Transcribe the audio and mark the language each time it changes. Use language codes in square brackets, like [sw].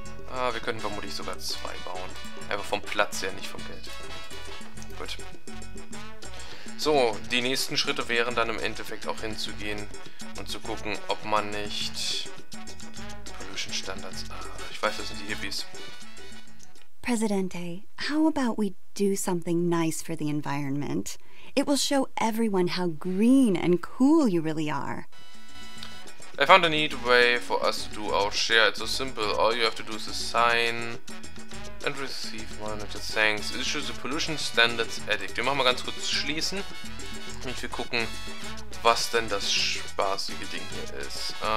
[de] Ah, wir könnten vermutlich sogar zwei bauen. Einfach vom Platz her, nicht vom Geld. Gut. So, die nächsten Schritte wären dann im Endeffekt auch hinzugehen und zu gucken, ob man nicht... Pollution Standards... Ah, ich weiß, das sind die Hippies. [en] Presidente, how about we do something nice for the environment? It will show everyone how green and cool you really are. I found a neat way for us to do our share. It's so simple. All you have to do is sign and receive one of the thanks. Issue the pollution standards edict. [de] Wir machen mal ganz kurz schließen und wir gucken, was denn das spaßige Ding hier ist.